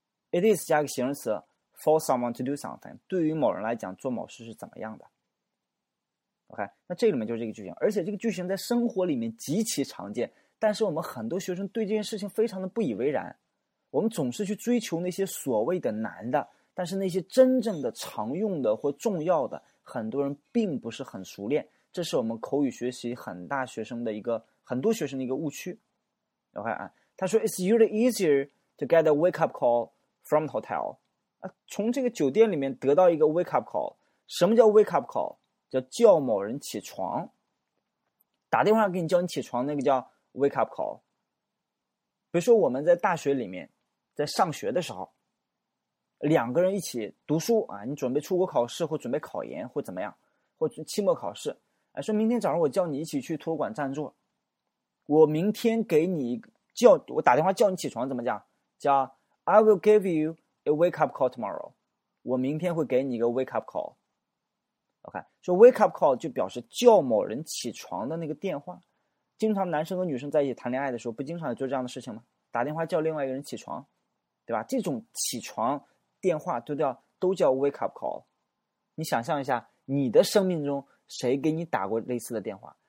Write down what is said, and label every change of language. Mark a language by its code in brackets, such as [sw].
[en] It is [zh] 加个形容词 [en] for someone to do something. [zh] 对于某人来讲做某事是怎么样的。OK, 那这里面就是这个句型，而且这个句型在生活里面极其常见，但是我们很多学生对这件事情非常的不以为然。我们总是去追求那些所谓的难的，但是那些真正的常用的或重要的，很多人并不是很熟练。这是我们口语学习很大学生的一个，很多学生的一个误区。 [en] OK [zh] 啊，他说 [en] It's usually easier to get a wake up call from the hotel. [zh] 啊，从这个酒店里面得到一个 wake up call. 什么叫 [en] wake up call? [zh] 叫叫某人起床。打电话给你叫你起床，那个叫 wake up call。比如说我们在大学里面在上学的时候，两个人一起读书啊，你准备出国考试或准备考研或怎么样，或期末考试，哎，说明天早上我叫你一起去托管占座，我明天给你叫，我打电话叫你起床，怎么讲？ [en] 叫 I will give you a wake up call tomorrow， [zh] 我明天会给你一个 [en] wake up call。 [zh] OK，说 wake up call 就表示叫某人起床的那个电话。经常男生和女生在一起谈恋爱的时候，不经常做这样的事情吗？打电话叫另外一个人起床，对吧？这种起床电话都叫 wake up call。你想象一下，你的生命中谁给你打过类似的电话？